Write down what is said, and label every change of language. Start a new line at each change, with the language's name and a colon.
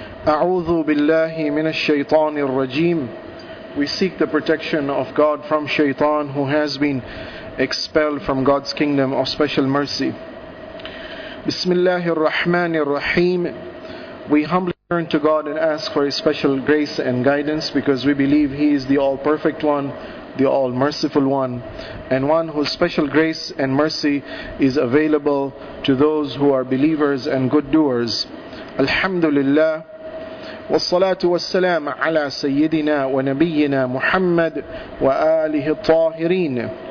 Arabic: أعوذ بالله من الشيطان الرجيم.
English: We seek the protection of God from Shaitan, who has been expelled from God's kingdom of special mercy.
Arabic: بسم الله الرحمن الرحيم.
English: We humbly turn to God and ask for His special grace and guidance, because we believe He is the All Perfect One, the All Merciful One, and one whose special grace and mercy is available to those who are believers and good doers.
Arabic: Alhamdulillah. والصلاة والسلام على سيدنا ونبينا محمد وآله الطاهرين.